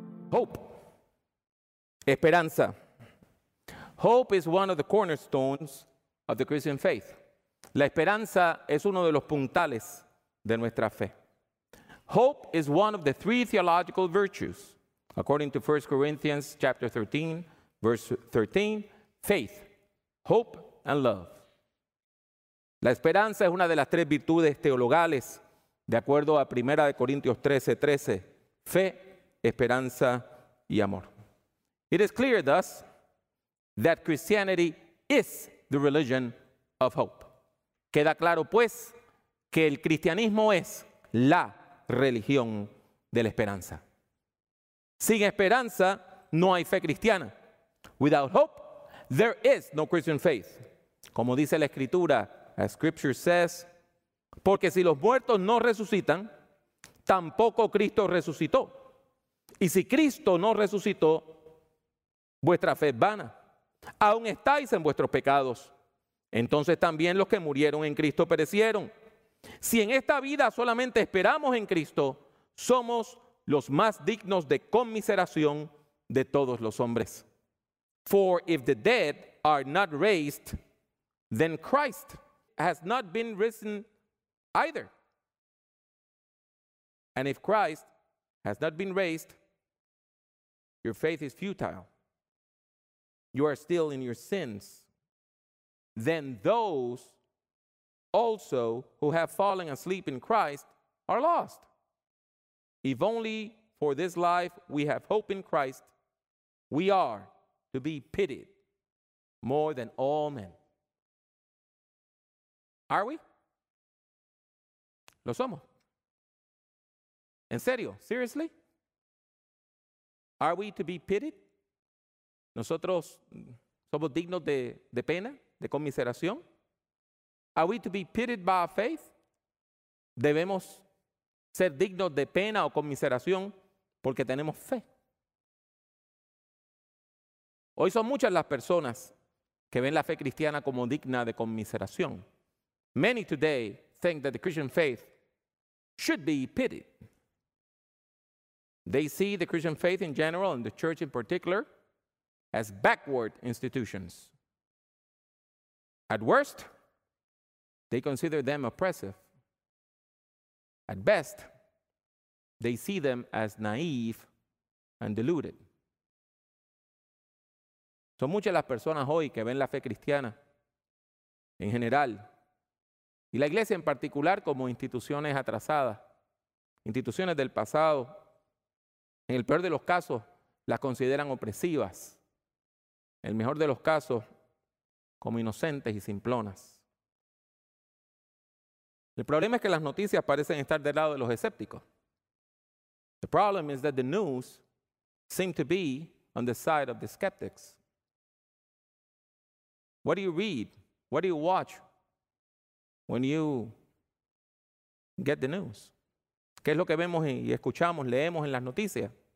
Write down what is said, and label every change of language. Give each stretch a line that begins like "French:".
English: Hope. Esperanza. Hope is one of the cornerstones of the Christian faith.
Spanish: La esperanza es uno de los puntales de nuestra fe.
English: Hope is one of the three theological virtues. According to 1 Corinthians chapter 13, verse 13, faith, hope, and love.
Spanish: La esperanza es una de las tres virtudes teologales, de acuerdo a 1 Corinthians 13, 13, fe, esperanza, y amor.
English: It is clear, thus, that Christianity is the religion of hope.
Spanish: Queda claro, pues, que el cristianismo es la religión de la esperanza. Sin esperanza, no hay fe cristiana.
English: Without hope, there is no Christian faith.
Spanish: Como dice la Escritura,
English: as Scripture says,
Spanish: porque si los muertos no resucitan, tampoco Cristo resucitó. Y si Cristo no resucitó, vuestra fe es vana. Aún estáis en vuestros pecados. Entonces también los que murieron en Cristo perecieron. Si en esta vida solamente esperamos en Cristo, somos los más dignos de conmiseración de todos los hombres.
English: For if the dead are not raised, then Christ has not been risen either. And if Christ has not been raised, your faith is futile. You are still in your sins. Then those also who have fallen asleep in Christ are lost. If only for this life we have hope in Christ, we are to be pitied more than all men. Are we?
Spanish: Lo somos. En serio,
English: seriously? Are we to be pitied?
Spanish: Nosotros somos dignos de pena, de conmiseración.
English: Are we to be pitied by our faith?
Spanish: Debemos ser dignos de pena o conmiseración porque tenemos fe. Hoy son muchas las personas que ven la fe cristiana como digna de conmiseración.
English: Many today think that the Christian faith should be pitied. They see the Christian faith in general and the church in particular as backward institutions. At worst, they consider them oppressive. At best, they see them as naive and deluded.
Spanish: Son muchas las personas hoy que ven la fe cristiana en general y la iglesia en particular como instituciones atrasadas, instituciones del pasado. En el peor de los casos, las consideran opresivas. En el mejor de los casos, como inocentes y simplonas. El problema es que las noticias parecen estar del lado de los escépticos.
English: The problem is that the news seem to be on the side of the skeptics. What do you read? What do you watch when you get the news?
Spanish: ¿Qué es lo que vemos y escuchamos, leemos en las noticias?